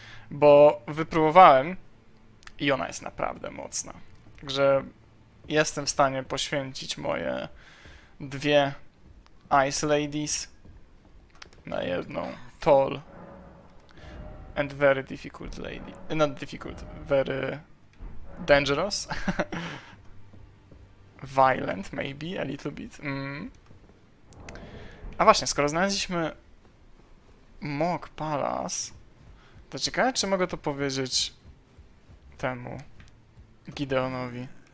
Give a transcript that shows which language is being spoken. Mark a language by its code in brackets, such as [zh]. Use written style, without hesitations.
[pl] Bo wypróbowałem i ona jest naprawdę mocna. Także jestem w stanie poświęcić moje dwie Ice Ladies na jedną Tall and Very Difficult Lady. [en] Not difficult, very dangerous. Violent, maybe, a little bit. Mm. [pl] A właśnie, skoro znaleźliśmy Mog Palace, to ciekawe, czy mogę to powiedzieć temu Gideonowi.